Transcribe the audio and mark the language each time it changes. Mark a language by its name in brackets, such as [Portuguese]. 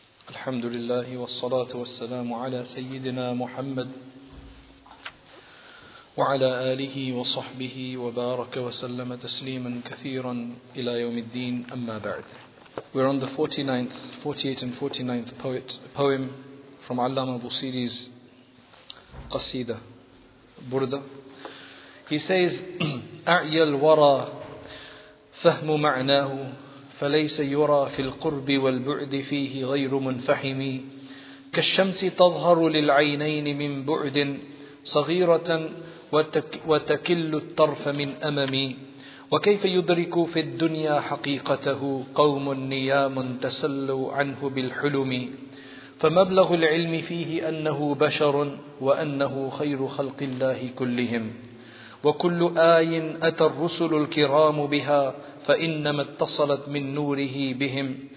[Arabic] الحمد لله والصلاة والسلام على سيدنا محمد وعلى آله وصحبه وبارك وسلم تسليما كثيرا إلى يوم الدين. أما بعد, [English] we're on the 48th and 49th poem from Allama Busiri's Qasida Burda. He says, [Arabic] أعيى الورى فهم معناه فليس يرى في القرب والبعد فيه غير منفحم كالشمس تظهر للعينين من بعد صغيرة وتكل الطرف من أممي وكيف يدرك في الدنيا حقيقته قوم نيام تسلوا عنه بالحلم فمبلغ العلم فيه أنه بشر وأنه خير خلق الله كلهم وكل آي أتى الرسل الكرام بها فإنما اتصلت من نوره بهم